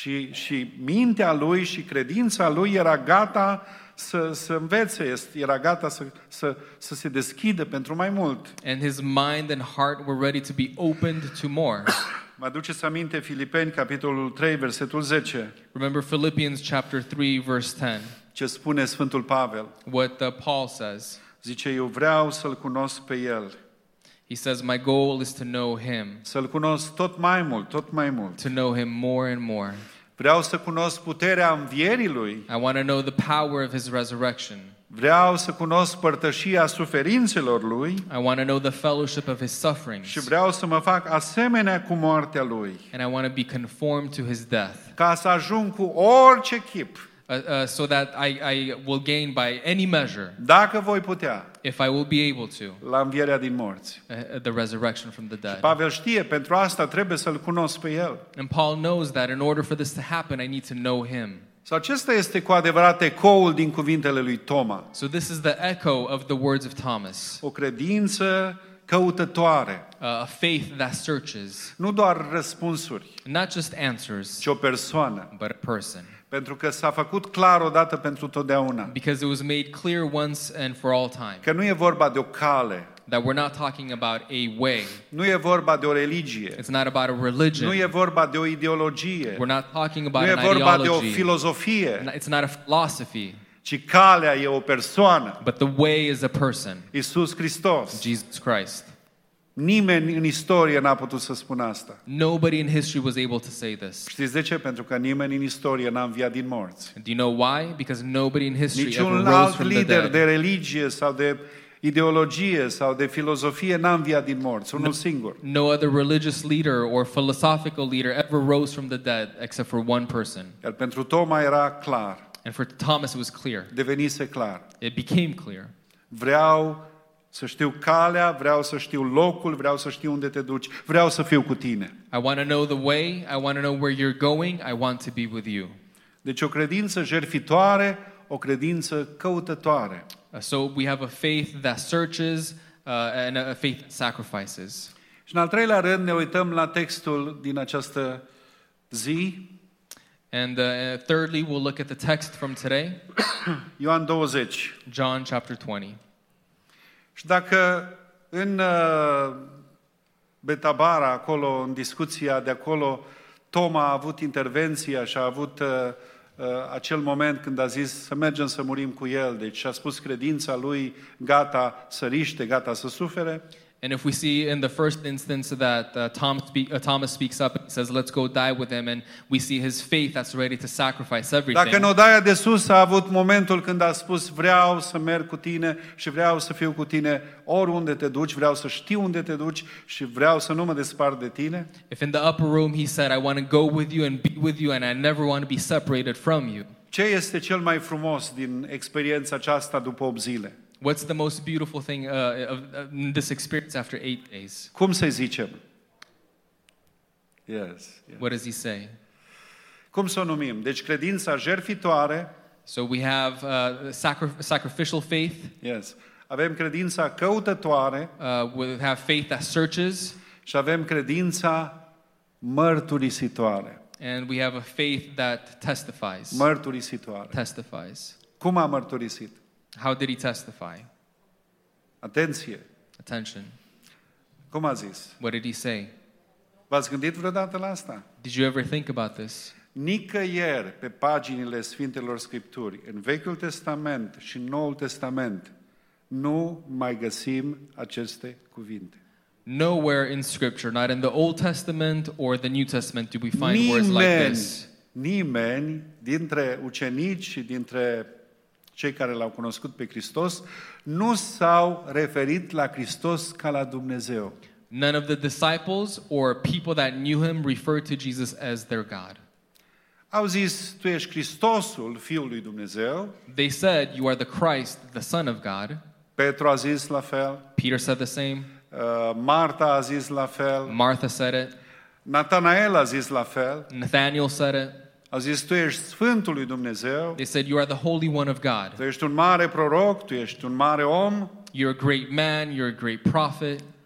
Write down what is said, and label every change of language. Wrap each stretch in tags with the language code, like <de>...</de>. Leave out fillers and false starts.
<ro>Și mintea lui și credința lui era gata să învețe, era gata să se deschidă pentru mai mult.</ro> <en>And his mind and heart were ready to be opened to more.</en> <ro>Mă aduceți aminte Filipeni capitolul 3 versetul 10.</ro> <en>Remember Philippians chapter 3 verse 10.</en> <ro>Ce spune Sfântul Pavel?</ro> <en>What Paul says.</en> <ro>Zice, eu vreau să-l cunosc pe el.</ro> <en>He says, my goal is to know him.</en> <ro>Să-l cunosc tot mai mult, tot mai mult.</ro> <en>To know him more and more.</en> <ro>Vreau să cunosc puterea învierii lui.</ro> <en>I want to know the power of his resurrection.</en> <ro>Vreau să cunosc părtășia suferințelor lui.</ro> <en>I want to know the fellowship of his sufferings.</en> <ro>Și vreau să mă fac asemenea cu moartea lui.</ro> <en>And I want to be conformed to his death.</en> <ro>Ca să ajung cu orice chip.</ro> <en>So that I will gain by any measure.</en> <ro>Dacă voi putea.</ro> <en>If I will be able to.</en> <ro>La învierea din morți.</ro> <en>The resurrection from the dead.</en> <ro>Și Pavel știe, pentru asta trebuie să-l cunosc pe el.</ro> <en>And Paul knows that in order for this to happen, I need to know him.</en> <ro>Sau acesta este cu adevărat ecoul din cuvintele lui Toma.</ro> <en>So this is the echo of the words of Thomas.</en> <ro>O credință căutătoare.</ro> <en>A faith that searches.</en> <ro>Nu doar răspunsuri.</ro> <en>Not just answers.</en> <ro>Ci o persoană.</ro> <en>But a person.</en> <ro>Pentru că s-a făcut clar odată pentru totdeauna.</ro> <en>Because it was made clear once and for all time.</en> <ro>Că nu e vorba de o cale.</ro> <en>That we're not talking about a way.</en> <ro>Nu e vorba de o religie.</ro> <en>It's not about a religion.</en> <ro>Nu e vorba de o ideologie.</ro> <en>We're not talking about an ideology.</en> <ro>Nu e vorba de o filozofie.</ro> <en>It's not a philosophy.</en> <ro>Ci calea e o persoană.</ro> <en>But the way is a person.</en> <ro>Iisus Hristos.</ro> <en>Jesus Christ.</en> <ro>Nimeni în istorie n-a putut să spună asta.</ro> <en>Nobody in history was able to say this.</en> <ro>Știți de ce? Pentru că nimeni în istorie n-a înviat din morți.</ro> <en>Do you know why? Because nobody in history</en> <ro>niciun</ro> <en>ever rose from the dead.</en> <ro>Niciun alt lider de religie sau de ideologie sau de filozofie n-a înviat din morți, unul singur.</ro> <en>No other religious leader or philosophical leader ever rose from the dead except for one person.</en> <ro>Iar pentru Toma era clar.</ro> <en>And for Thomas it was clear.</en> <ro>Devenise clar.</ro> <en>It became clear.</en> <ro>Vreau să știu calea, vreau să știu locul, vreau să știu unde te duci, vreau să fiu cu tine.</ro> <en>I want to know the way, I want to know where you're going, I want to be with you.</en> <ro>Deci o credință jertfitoare, o credință căutătoare.</ro> <en>So we have a faith that searches and a faith that sacrifices.</en> <ro>Și în al treilea rând ne uităm la textul din această zi.</ro> <en>And thirdly, we'll look at the text from today.</en> <ro>Ioan 20.</ro> <en>John chapter 20.</en> <ro>Și dacă în Betabara, acolo, în discuția de acolo, Toma a avut intervenția și a avut acel moment când a zis să mergem să murim cu el, deci a spus credința lui gata să riște, gata să sufere.</ro> <en>And if we see in the first instance that Thomas speaks up and says, let's go die with him, and we see his faith that's ready to sacrifice everything.</en> <ro>Dacă în odaia de sus a avut momentul când a spus, vreau să merg cu tine și vreau să fiu cu tine oriunde te duci, vreau să știu unde te duci și vreau să nu mă despart de tine.</ro> <en>If in the upper room he said, I want to go with you and be with you and I never want to be separated from you.</en> <ro>Ce este cel mai frumos din experiența aceasta după 8 zile?</ro> <en>What's the most beautiful thing of this experience after 8 days?</en> <ro>Cum să zicem?</ro> <en>Yes, yes. What does he say?</en> <ro>Cum să o numim? Deci credința jertfitoare.</ro> <en>So we have sacrificial faith. Yes.</en> <ro>Avem credința căutătoare.</ro> <en>We have faith that searches.</en> <ro>Și avem credința mărturisitoare.</ro> <en>And we have a faith that testifies.</en> <ro>Mărturisitoare.</ro> <en>Testifies.</en> <ro>Cum a mărturisit?</ro> <en>How did he testify?</en> <ro>Atenție.</ro> <en>Attention.</en> <ro>Cum a zis?</ro> <en>What did he say?</en> <ro>V-ați gândit vreodată la asta?</ro> <en>Did you ever think about this?</en> <ro>Nicăieri pe paginile Sfintelor Scripturi, în Vechiul Testament și Noul Testament, nu mai găsim aceste cuvinte.</ro> <en>Nowhere in Scripture, not in the Old Testament or the New Testament, do we find</en> <ro>nimeni,</ro> <en>words like this.</en> <ro>Nimeni dintre ucenici și dintre cei care l-au cunoscut pe Hristos nu s-au referit la Hristos ca la Dumnezeu.</ro> <en>None of the disciples or people that knew him referred to Jesus as their God.</en> <ro>Au zis, tu ești Hristosul, Fiul lui Dumnezeu.</ro> <en>They said, you are the Christ, the Son of God.</en> <ro>Petru a zis la fel.</ro> <en>Peter said the same.</en> <ro>Marta a zis la fel.</ro> <en>Martha said it.</en> <ro>Nathanael a zis la fel.</ro> <en>Nathaniel said it.</en> <ro>A zis, tu ești Sfântul lui Dumnezeu.</ro> <en>They said, you are the Holy One of God.</en> <ro>Tu ești un mare proroc, tu ești un mare om.</ro> <en>You're a great man, you're a great prophet.</en>